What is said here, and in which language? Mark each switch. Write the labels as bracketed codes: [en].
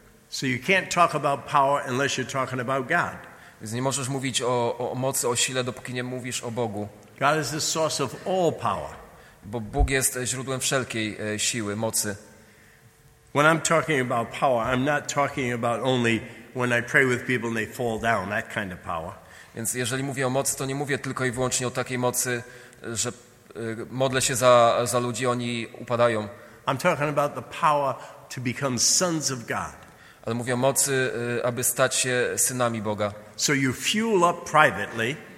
[en] So you can't talk about power unless you're talking about God. [pl] Więc nie możesz mówić o mocy, o sile, dopóki nie mówisz o Bogu. [en] God is the source of all power. [pl] Bo Bóg jest źródłem wszelkiej siły, mocy. [en] When I'm talking about power, I'm not talking about only when I pray with people and they fall down, that kind of power. [pl] Więc jeżeli mówię o mocy, to nie mówię tylko i wyłącznie o takiej mocy, że modlę się za ludzi, oni upadają. [en] I'm talking about the power to become sons of God. [pl] Ale mówię o mocy, aby stać się synami Boga. [en] So you fuel up privately.